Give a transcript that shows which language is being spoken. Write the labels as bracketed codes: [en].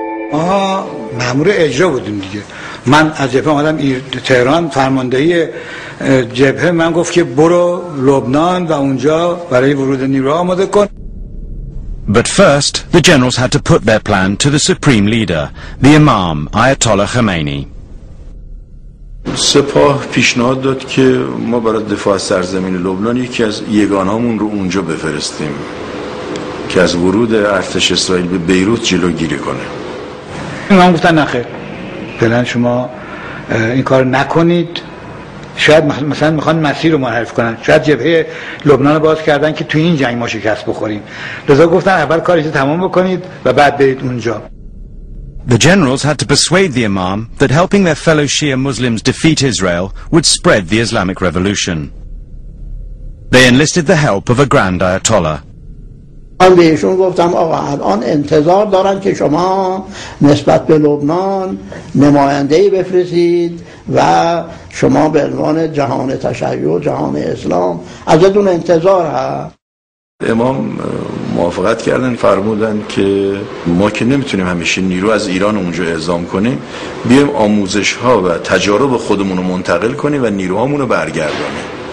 [fa] ما مأمور اجرا بودیم دیگه. من از جبهه اومدم تهران فرماندهی جبهه من گفت که برو لبنان و اونجا برای ورود نیروها آماده کن. [en] But first, the generals had to put their plan to the supreme leader, the Imam Ayatollah Khomeini. [fa] سپاه پیشنهاد داد که ما برای دفاع از سرزمین لبنان یکی از یگانهامون رو اونجا بفرستیم که از ورود ارتش اسرائیل به بیروت جلوگیری کنه. امام گفتن نه خیر. بلند شما این کار نکنید. شاید مثلا میخوان مسیر رو منحرف کنن شاید جبهه لبنان رو باز کردن که تو این جنگ ما شکست بخوریم رضا گفتن اول کارش رو تمام بکنید و بعد برید اونجا [en] The generals had to persuade the imam that helping their fellow Shia Muslims defeat Israel would spread the Islamic revolution They enlisted the help of a grand ayatollah [fa] من بهشون گفتم آقا الان انتظار دارن که شما نسبت به لبنان نماینده‌ای بفرستید و شما به عنوان جهان تشیع و جهان اسلام ازتون انتظار هست امام موافقت کردن فرمودن که ما که نمیتونیم همیشه نیرو از ایران اونجا اعزام کنیم بیایم آموزش ها و تجارب خودمون رو منتقل کنیم و نیروهامون رو برگردانیم